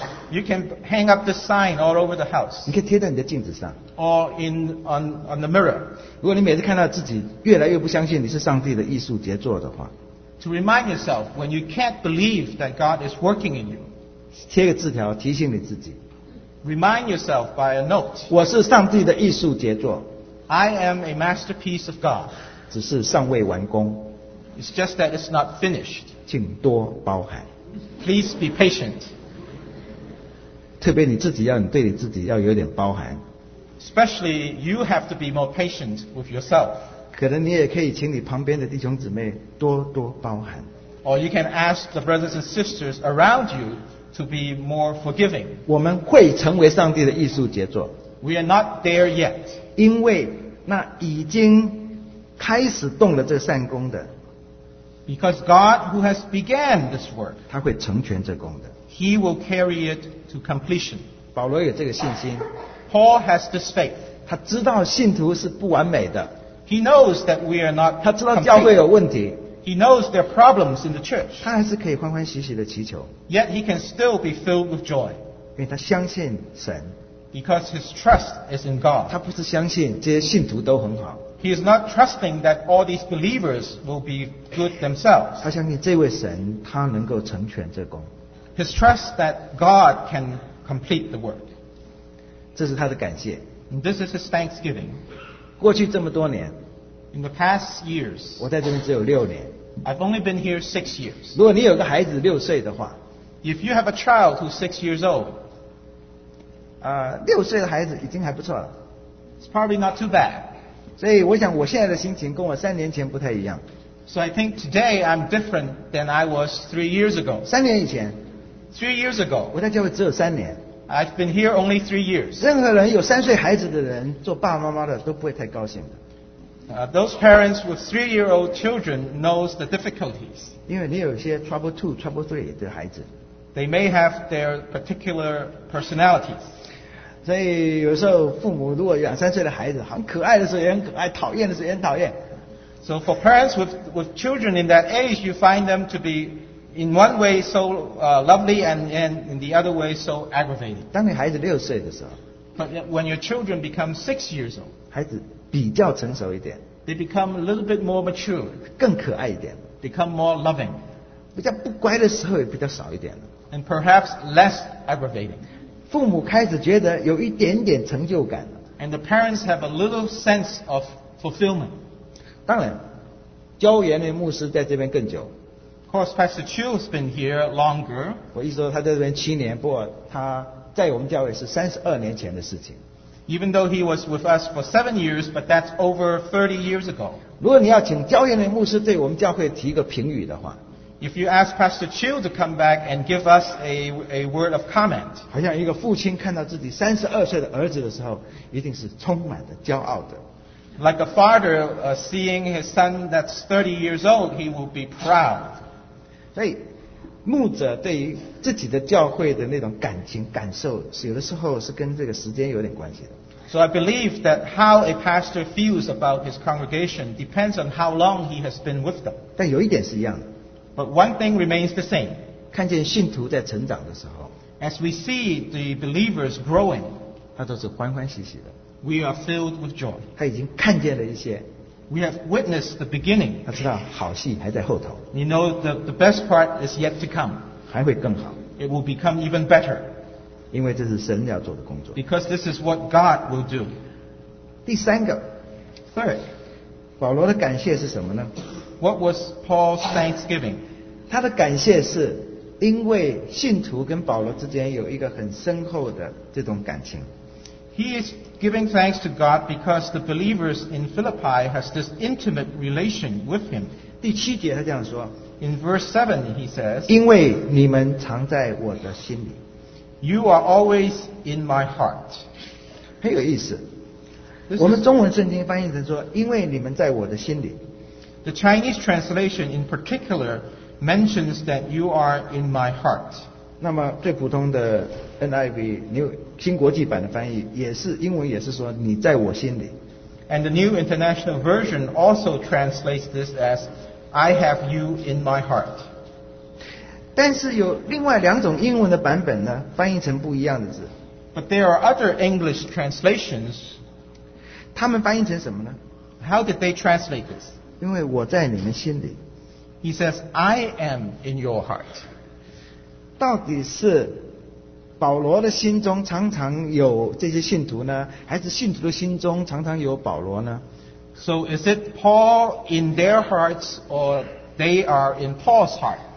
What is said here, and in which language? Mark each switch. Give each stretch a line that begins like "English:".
English: You can hang up the sign all over the house.
Chinese: 你可以贴在你的镜子上。
English: Or on the mirror.
Chinese: 如果你每次看到自己越来越不相信你是上帝的艺术杰作的话，
English: To remind yourself when you can't believe that God is working in you.
Chinese: 贴个字条提醒你自己。
English: Remind yourself by a note.
Chinese: 我是上帝的艺术杰作。
English: I am a masterpiece of God.
Chinese: 只是尚未完工。
English: It's just that it's not finished.
Chinese: 请多包涵。
English: Please be patient.
Chinese: 特别你自己要，你对你自己要有点包涵。
English: Especially you have to be more patient with yourself.
Chinese: 可能你也可以请你旁边的弟兄姊妹多多包涵。
English: Or you can ask the brothers and sisters around you to be more forgiving.
Chinese: 我们会成为上帝的艺术杰作。
English: We are not there yet.
Chinese: 因为那已经开始动了这善工的。
English: Because God who has began this work.
Chinese: 他会成全这工的。
English: He will carry it to completion.
Chinese: 保罗有这个信心。
English: Paul has this faith.
Chinese: 他知道信徒是不完美的。
English: He knows that we are not.
Chinese: 他知道教会有问题。
English: He knows there are problems in the church.
Chinese: 他还是可以欢欢喜喜的祈求。
English: Yet he can still be filled with joy.
Chinese: 因为他相信神。
English: Because his trust is in God.
Chinese: 他不是相信这些信徒都很好。
English: He is not trusting that all these believers will be good themselves.
Chinese: 他相信这位神，他能够成全这工。
English: His trust that God can complete the work.
Chinese: 这是他的感谢。
English: This is his thanksgiving.
Chinese: 过去这么多年。
English: In the past years.
Chinese: 我在这边只有六年。
English: I've only been here 6 years.
Chinese: 如果你有个孩子六岁的话。
English: If you have a child who's 6 years old.
Chinese: 六岁的孩子已经还不错了。
English: It's probably not too bad.
Chinese: 所以我想我现在的心情跟我三年前不太一样。
English: So I think today I'm different than I was 3 years ago.
Chinese: 三年以前。
English: 3 years ago.
Chinese: 我在教会只有三年。
English: I've been here only 3 years.
Chinese: 任何人有三岁孩子的人做爸爸妈妈的都不会太高兴的。
English: Those parents with 3-year-old children knows the difficulties.
Chinese: 因为你有一些
English: trouble 2, trouble 3
Chinese: 的孩子。
English: They may have their particular personalities.
Chinese: 所以有时候父母如果两三岁的孩子很可爱的时候也很可爱，讨厌的时候也很讨厌。
English: So for parents with children in that age, you find them to be in one way so lovely and in the other way so aggravating.
Chinese: 当你孩子六岁的时候。
English: But when your children become 6 years old.
Chinese: 孩子比较成熟一点。
English: They become a little bit more mature.
Chinese: 更可爱一点。
English: Become more loving.
Chinese: 比较不乖的时候也比较少一点。
English: And perhaps less aggravating.
Chinese: 父母开始觉得有一点点成就感了。
English: And the parents have a little sense of fulfillment.
Chinese: 当然，教员的牧师在这边更久。
English: Of course, Pastor Chu has been here longer.
Chinese: 我意思说他在这边七年，不过他在我们教会是32年前的事情。
English: Even though he was with us for 7 years, but that's over 30 years ago.
Chinese: 如果你要请教员的牧师对我们教会提一个评语的话
English: ，If you ask Pastor Chu to come back and give us a word of comment,
Chinese: 好像一个父亲看到自己32岁的儿子的时候，一定是充满的骄傲的。
English: Like a father seeing his son that's 30 years old, he will be proud.
Chinese: 所以牧者对于自己的教会的那种感情感受有的时候是跟这个时间有点关系的。
English: So I believe that how a pastor feels about his congregation depends on how long he has been with them.
Chinese: 但有一点是一样的。
English: But one thing remains the same.
Chinese: 看见信徒在成长的时候。
English: As we see the believers growing.
Chinese: 他都是欢欢喜喜的。
English: We are filled with joy.
Chinese: 他已经看见了一些。
English: We have witnessed the beginning.
Chinese: 他知道好戏还在后头。
English: You know the best part is yet to come.
Chinese: 还会更好。
English: It will become even better.
Chinese: 因为这是神要做的工作。
English: Because this is what God will do.
Chinese: 第三个。
English: Third.
Chinese: 保罗的感谢是什么呢？
English: What was Paul's thanksgiving?
Chinese: 他的感谢是因为信徒跟保罗之间有一个很深厚的这种感情。
English: He is giving thanks to God because the believers in Philippi has this intimate relation with him.
Chinese: 第七节他这样说。
English: In verse 7 he says,
Chinese: 因为你们藏在我的心里。
English: You are always in my heart.
Chinese: 很有意思。我们中文圣经翻译成说因为你们在我的心里。
English: The Chinese translation in particular mentions that you are in my heart.
Chinese: 那么最普通的 NIV 新国际版的翻译也是英文也是说你在我心里
English: and the New International Version also translates this as I have you in my heart
Chinese: 但是有另外两种英文的版本呢翻译成不一样的字
English: but there are other English translations
Chinese: 他们翻译成什么呢
English: how did they translate this
Chinese: 因为我在你们心里
English: he says I am in your heart
Chinese: 到底是保罗的心中常常有这些信徒呢还是信徒的心中常常有保罗呢
English: So is it Paul in their hearts or they are in Paul's heart?